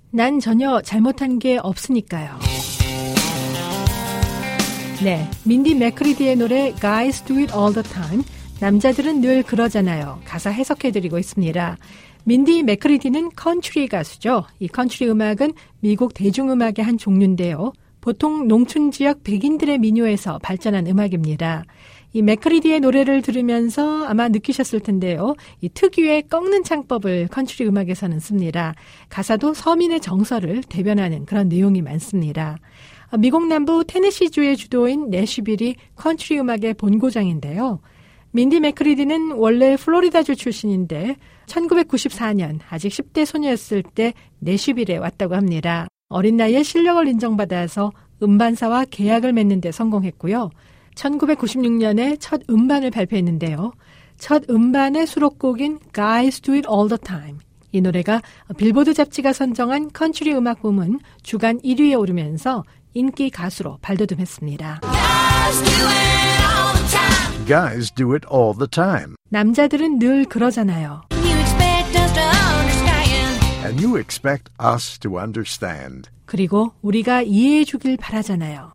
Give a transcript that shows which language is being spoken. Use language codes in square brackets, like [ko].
[ko] 난 전혀 잘못한 게 없으니까요. 네, 민디 맥크리디의 노래 Guys do it all the time. 남자들은 늘 그러잖아요. 가사 해석해드리고 있습니다. 민디 맥크리디는 컨트리 가수죠. 이 컨트리 음악은 미국 대중음악의 한 종류인데요. 보통 농촌 지역 백인들의 민요에서 발전한 음악입니다. 이 맥크리디의 노래를 들으면서 아마 느끼셨을 텐데요. 이 특유의 꺾는 창법을 컨트리 음악에서는 씁니다. 가사도 서민의 정서를 대변하는 그런 내용이 많습니다. 미국 남부 테네시주의 주도인 내쉬빌이 컨트리 음악의 본고장인데요. 민디 맥크리디는 원래 플로리다주 출신인데 1994년 아직 10대 소녀였을 때 내쉬빌에 왔다고 합니다. 어린 나이에 실력을 인정받아서 음반사와 계약을 맺는 데 성공했고요. 1996년에 첫 음반을 발표했는데요. 첫 음반의 수록곡인 Guys Do It All The Time. 이 노래가 빌보드 잡지가 선정한 컨트리 음악 부문 주간 1위에 오르면서 인기 가수로 발돋움했습니다. [en] Guys do it all the time. Guys do it all the time. [ko] 남자들은 늘 그러잖아요. [en] You expect us to understand. And you expect us to understand. [ko] 그리고 우리가 이해해 주길 바라잖아요.